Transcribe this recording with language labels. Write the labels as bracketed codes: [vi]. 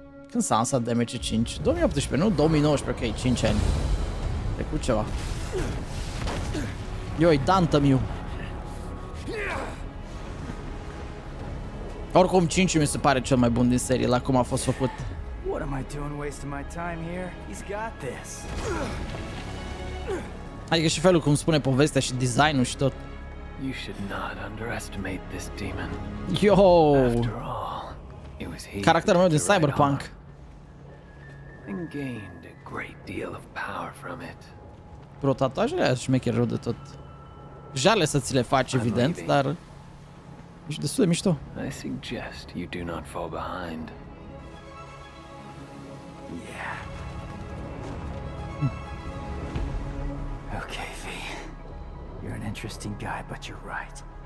[ro] Când s-a lansat DMC 5? 2018, nu? 2019, ok, 5 ani. Trecut ceva. Yo-i, Dante-miu. Oricum, 5 mi se pare cel mai bun din serie, la cum a fost făcut. [en] What am I doing wasting my time here? He's got this. [ro] Adică și felul cum spune povestea și designul și tot. [en] You should not underestimate this demon. Yo! After all, it was he. [ro] Caracterul meu din Cyberpunk. [en] And gained a great deal of power from it. [ro] Bro, tatuajele aia șmecher rău de tot. Jale să ți le faci, evident, dar ești destul de mișto. [en] I suggest you do not fall behind. Yeah. Okay, V. You're an interesting guy, but you're right.